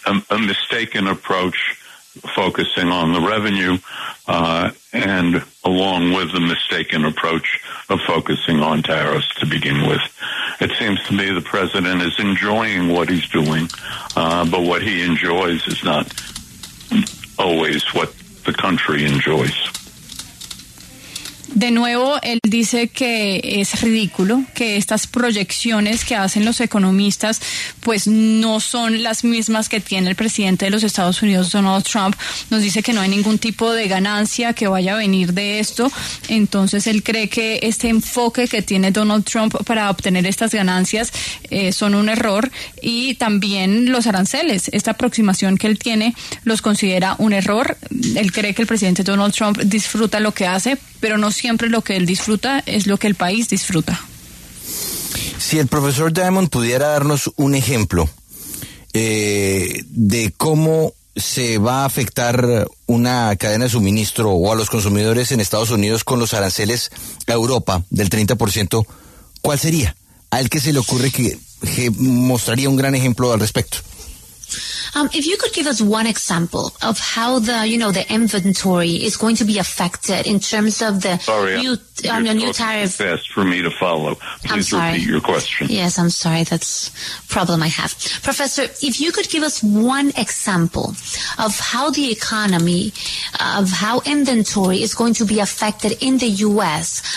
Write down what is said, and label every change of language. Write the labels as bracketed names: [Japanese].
[English] A mistaken approach focusing on the revenue and along with the mistaken approach of focusing on tariffs to begin with. It seems to me the president is enjoying what he's doing, but what he enjoys is not always what the country enjoys. [Spanish] De nuevo, él dice que es ridículo, que estas proyecciones que hacen los economistas pues no son las mismas que tiene el presidente de los Estados Unidos, Donald Trump. Nos dice que no hay ningún tipo de ganancia que vaya a venir de esto. Entonces, él cree que este enfoque que tiene Donald Trump para obtener estas ganancias son un error. Y también los aranceles, esta aproximación que él tiene, los considera un error. Él cree que el presidente Donald Trump disfruta lo que hace, pero no siempre lo que él disfruta es lo que el país disfruta. Si el profesor Diamond pudiera darnos un ejemplo de cómo se va a afectar una cadena de suministro o a los consumidores en Estados Unidos con los aranceles a Europa del 30%, ¿cuál sería? ¿A él qué se le ocurre que mostraría un gran ejemplo al respecto? [English] If you could give us one example of how the, the inventory is going to be affected in terms of the new tariff. Sorry, it's best for me to follow. Please repeat your question. Yes, I'm sorry. That's a problem I have. Professor, if you could give us one example of how the economy, of how inventory is going to be affected in the U.S.